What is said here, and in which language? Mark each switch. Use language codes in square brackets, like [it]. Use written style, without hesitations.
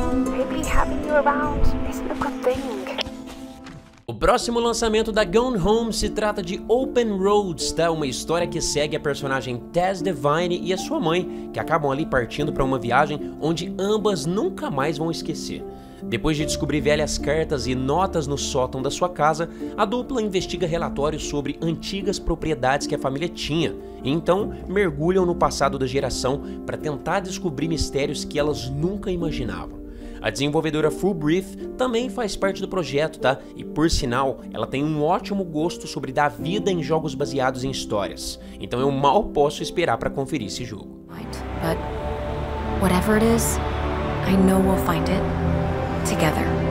[en] Maybe having you around isn't a good thing. [pt] O próximo lançamento da Gone Home se trata de Open Roads, tá? Uma história que segue a personagem Tess Devine e a sua mãe, que acabam ali partindo para uma viagem onde ambas nunca mais vão esquecer. Depois de descobrir velhas cartas e notas no sótão da sua casa, a dupla investiga relatórios sobre antigas propriedades que a família tinha, e então mergulham no passado da geração para tentar descobrir mistérios que elas nunca imaginavam. A desenvolvedora Full Brief também faz parte do projeto, tá? E por sinal, ela tem um ótimo gosto sobre dar vida em jogos baseados em histórias. Então eu mal posso esperar para conferir esse jogo. [en] But whatever it is, I know we'll find it together.